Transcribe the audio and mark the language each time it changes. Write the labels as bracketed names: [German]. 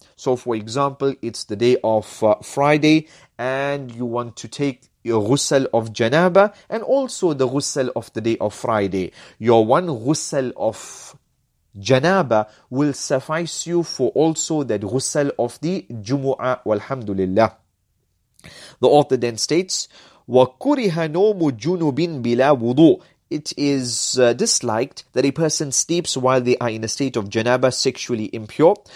[English] So, for example, it's the day of Friday and you want to take your ghusl of janaba and also the ghusl of the day of Friday. Your one ghusl of janaba will suffice you for also that ghusl of the jumu'ah, walhamdulillah. The author then states, [Arabic] وَكُرِهَ نَوْمُ جُنُوبٍ بِلَا وُضُوءٍ. [English] it is disliked that a person sleeps while they are in a state of janaba, sexually impure.